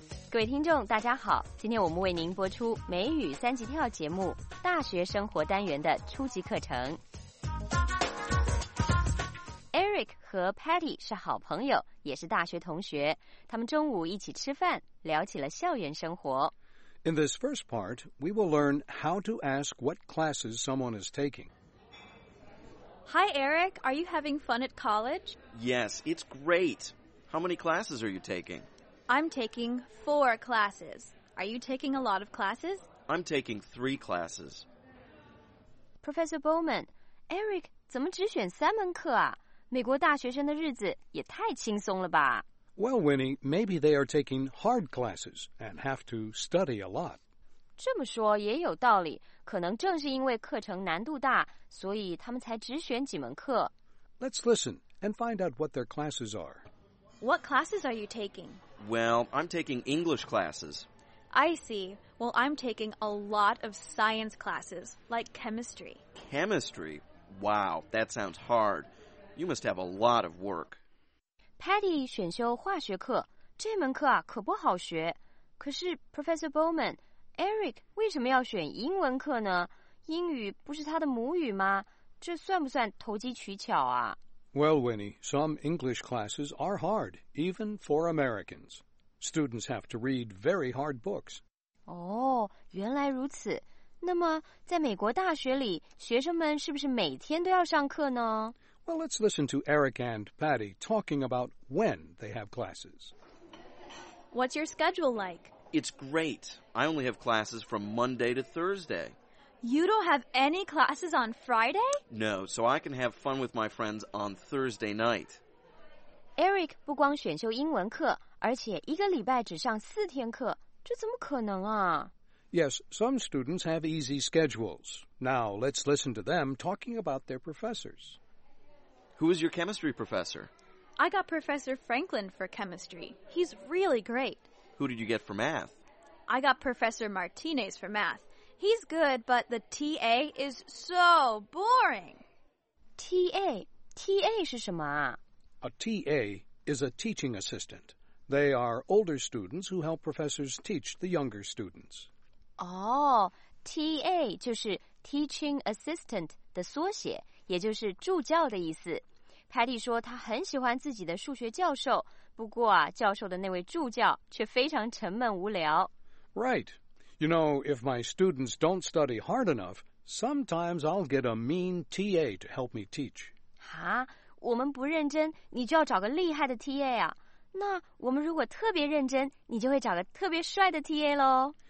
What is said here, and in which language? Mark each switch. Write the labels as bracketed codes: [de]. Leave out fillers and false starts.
[zh] 各位听众，大家好，今天我们为您播出美语三级跳节目大学生活单元的初级课程。 Eric 和 Patty 是好朋友，也是大学同学。他们中午一起吃饭，聊起了校园生活。 [en] In this first part, we will learn how to ask what classes someone is taking. Hi, Eric. Are you having fun at college? Yes, it's great. How many classes are you taking? I'm taking 4 classes. Are you taking a lot of classes? I'm taking 3 classes. [zh] Professor Bowman, Eric 怎么只选三门课啊？美国大学生的日子也太轻松了吧。 [en] Well, Winnie, maybe they are taking hard classes and have to study a lot. [zh] 这么说也有道理，可能正是因为课程难度大，所以他们才只选几门课。 [en] Let's listen and find out what their classes are. What classes are you taking? Well, I'm taking English classes. I see. Well, I'm taking a lot of science classes, like chemistry. Chemistry? Wow, that sounds hard. You must have a lot of work. [zh] Patty 选修化学课，这门课啊可不好学。可是 Professor Bowman, Eric 为什么要选英文课呢？英语不是他的母语吗？这算不算投机取巧啊？ [en] Well, Winnie, some English classes are hard, even for Americans. Students have to read very hard books. [zh] 哦，原来如此。那么在美国大学里，学生们是不是每天都要上课呢？ [en] Well, let's listen to Eric and Patty talking about when they have classes. What's your schedule like? It's great. I only have classes from Monday to Thursday. You don't have any classes on Friday? No, so I can have fun with my friends on Thursday night. [zh] Eric 不光选修英文课，而且一个礼拜只上四天课，这怎么可能啊？ [en] Yes, some students have easy schedules. Now, let's listen to them talking about their professors. Who is your chemistry professor? I got Professor Franklin for chemistry. He's really great. Who did you get for math? I got Professor Martinez for math. He's good, but the TA is so boring. [zh] TA? TA 是什么啊? [en] A TA is a teaching assistant. They are older students who help professors teach the younger students. [zh] Oh, TA 就是 [en] teaching assistant [zh] 的缩写。也就是助教的意思。 Patty 说他很喜欢自己的数学教授，不过啊，教授的那位助教却非常沉闷无聊。 [en] Right. You know, if my students don't study hard enough, sometimes I'll get a mean TA to help me teach. [zh] 啊，我们不认真，你就要找个厉害的 TA 啊。那我们如果特别认真，你就会找个特别帅的 TA 咯。